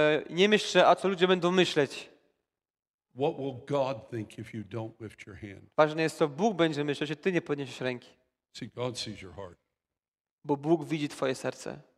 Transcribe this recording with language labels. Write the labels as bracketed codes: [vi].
[pl] Nie myślę, a co ludzie będą myśleć. [en] What will God think if you don't lift your hand? [pl] Ważne jest, co Bóg będzie myślał, że ty nie podniesiesz ręki. [en] See, God sees your heart. [pl] Bo Bóg widzi twoje serce.